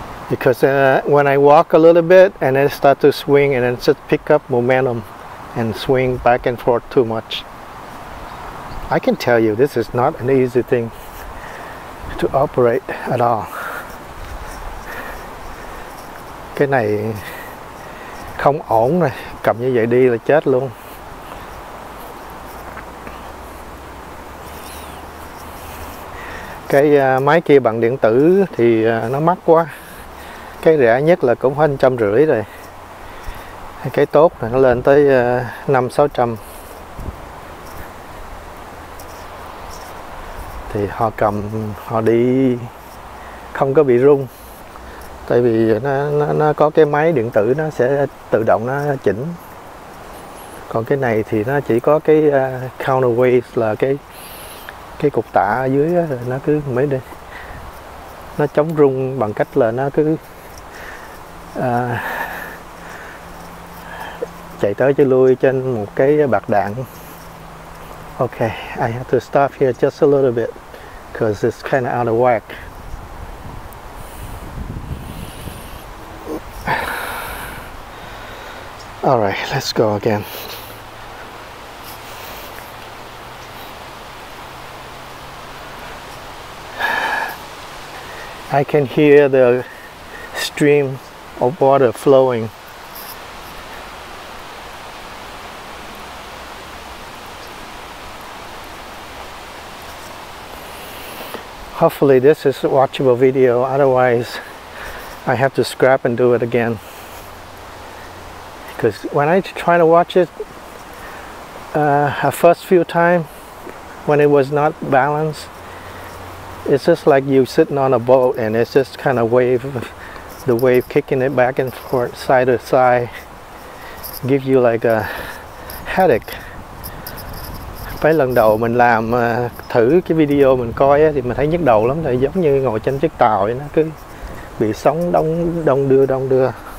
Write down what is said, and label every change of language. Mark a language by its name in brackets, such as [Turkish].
[English] Because when I walk a little bit and then start to swing and then just pick up momentum, and swing back and forth too much. I can tell you, this is not an easy thing to operate at all. [Vietnamese] Cái này không ổn rồi, cầm như vậy đi là chết luôn. Cái máy kia bằng điện tử thì nó mắc quá. Cái rẻ nhất là cũng hơn 150 rồi. Cái tốt là nó lên tới 500-600. Thì họ cầm họ đi không có bị rung, tại vì nó có cái máy điện tử nó sẽ tự động nó chỉnh. Còn cái này thì nó chỉ có cái counterweight là cái cục tạ ở dưới đó, nó cứ mấy đây nó chống rung bằng cách là nó cứ chạy tới chạy lui trên một cái bạc đạn. [English] Okay, I have to stop here just a little bit because it's kind of out of whack. All right, let's go again. I can hear the stream of water flowing. Hopefully this is a watchable video, otherwise I have to scrap and do it again. Because when I try to watch it a first few time, when it was not balanced, it's just like you sitting on a boat and it's just kind of wave, the wave kicking it back and forth, side to side, give you like a headache. [Vietnamese] Phải lần đầu mình làm thử cái video mình coi ấy, thì mình thấy nhức đầu lắm, thì giống như ngồi trên chiếc tàu ấy, nó cứ bị sóng đông đưa.